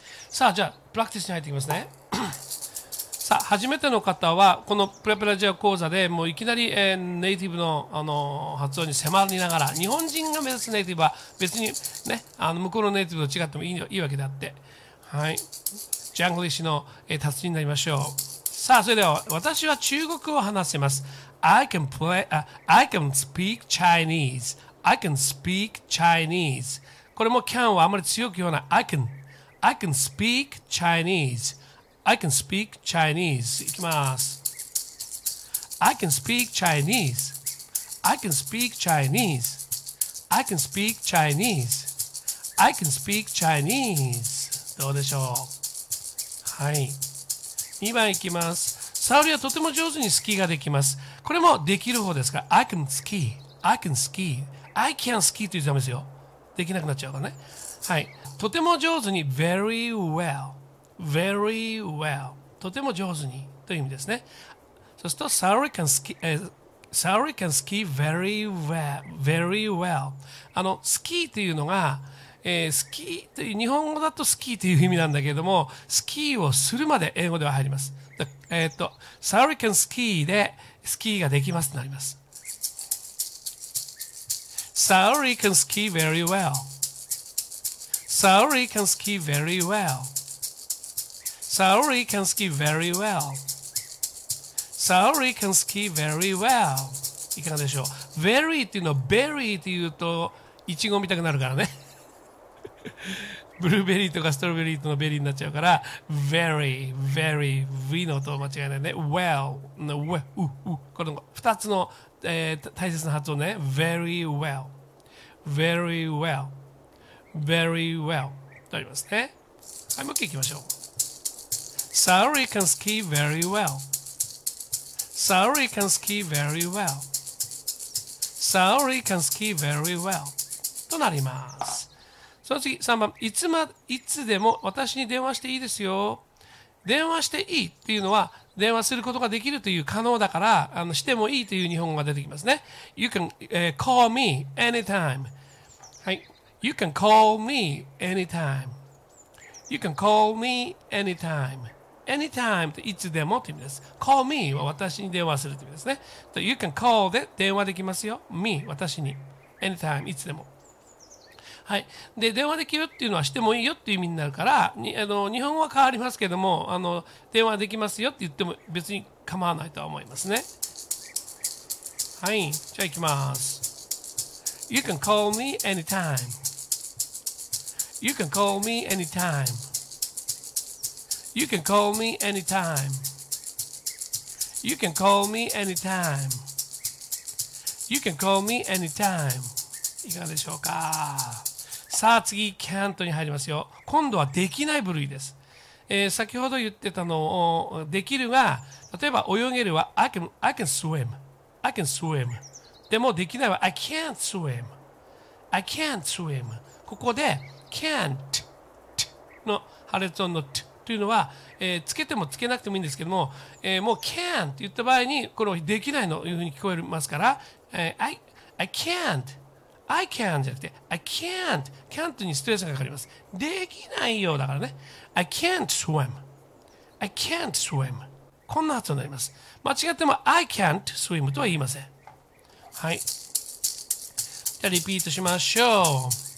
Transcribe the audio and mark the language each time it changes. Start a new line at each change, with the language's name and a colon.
Japanese: さあ、じゃあプラクティスに入っていきますね。さあ、初めての方はこのプレプラジア講座でもういきなり、ネイティブの、発音に迫りながら、日本人が目指すネイティブは別にね、向こうのネイティブと違ってもいいわけであって、はい、ジャングリッシュの達人になりましょう。さあ、それでは、私は中国を話せます。
English: I can play, I can speak Chinese. I can speak Chinese.
Japanese: これも can はあまり強く言わない。
English: I can speak Chinese. I can speak Chinese.
Japanese: いきます。
English: I can speak Chinese. I can speak Chinese. I can speak Chinese. I can speak Chinese.
Japanese: どうでしょう。はい、2番いきます。サオリはとても上手にスキーができます。これもできる方ですか。
English: I can ski, I can ski, I can ski
Japanese: と言うとダメですよ。できなくなっちゃうからね。はい、とても上手に
English: very well, very well、
Japanese: とても上手にという意味ですね。そうすると
English: サオリ can ski、サオリ can ski very well, very well。
Japanese: スキーというのがスキーという、日本語だとスキーという意味なんだけれども、スキーをするまで英語では入ります。サーリカンスキーでスキーができますとなります。
English: サーリカンスキー very well。サーリカンスキー very well。サーリカンスキー very well。サーリカンスキー very well。
Japanese: いかがでしょう。 very っていうのは、berry っていうと、イチゴ見たくなるからね。ブルーベリーとかストロベリーとのベリーになっちゃうから、
English: very very
Japanese: V の音間違いないね。 well の w、 この2つの、大切な発音ね。
English: very well very well very well と言いますね。
Japanese: はい、もう一回いきましょう。
English: Sorry can ski very well。 Sorry can ski very well。 Sorry can ski very well
Japanese: となります。その次、3番、いつでも私に電話していいですよ。電話していいっていうのは、電話することができるという可能だから、してもいいという日本語が出てきますね。
English: You can、call me anytime. はい。 You can call me anytime. You can call me anytime.
Japanese: Anytime っていつでもって意味です。call me は私に電話するって意味ですね。
English: You can call
Japanese: で電話できますよ。me、私に。anytime、いつでも。はい。で、電話できるっていうのはしてもいいよっていう意味になるから、日本語は変わりますけども、電話できますよって言っても別に構わないとは思いますね。はい。じゃあ行きます。
English: You can call me anytime.You can call me anytime.You can call me anytime.You can call me anytime.You can call me anytime.
Japanese: いかがでしょうか。さあ、次、can't に入りますよ。今度はできない部類です。先ほど言ってたのを、できるが、例えば泳げるは、
English: I can swim. I can swim.
Japanese: でもできないは、
English: I can't swim. I can't swim.
Japanese: ここで、can't の破裂音の t というのは、つけてもつけなくてもいいんですけども、もう can't 言った場合に、これをできないのというふうに聞こえますから、
English: I can't. I can
Japanese: じゃなくて
English: I can't。
Japanese: can't にストレスがかかります。できないようだからね。
English: I can't swim。 I can't swim。
Japanese: こんな発音になります。間違っても
English: I can't swim
Japanese: とは言いません。はい、じゃあリピートしましょう。